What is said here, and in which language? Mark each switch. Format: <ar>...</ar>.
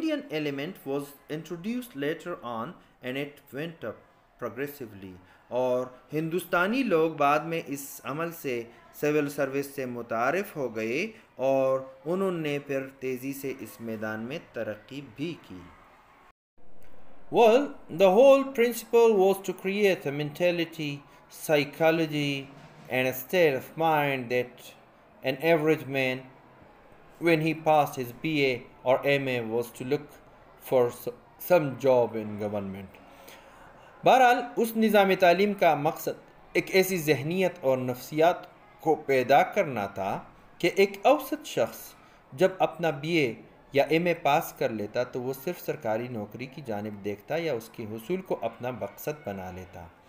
<en>element was introduced later on and it went up progressively،</en> <ur>اور ہندوستانی لوگ بعد میں اس عمل سے سول سروس سے متعارف ہو گئے اور انہوں نے پھر تیزی سے اس میدان میں ترقی بھی کی۔</ur> <en>Well, the whole principle was to create a mentality, psychology and a state of mind that an average man when he passed his BA or MA was to look for some job in government۔</en> <ur>بہرحال اس نظام تعلیم کا مقصد ایک ایسی ذہنیت اور نفسیات کو پیدا کرنا تھا کہ ایک اوسط شخص جب اپنا BA یا MA پاس کر لیتا تو وہ صرف سرکاری نوکری کی جانب دیکھتا یا اس کے حصول کو اپنا مقصد بنا لیتا۔</ur>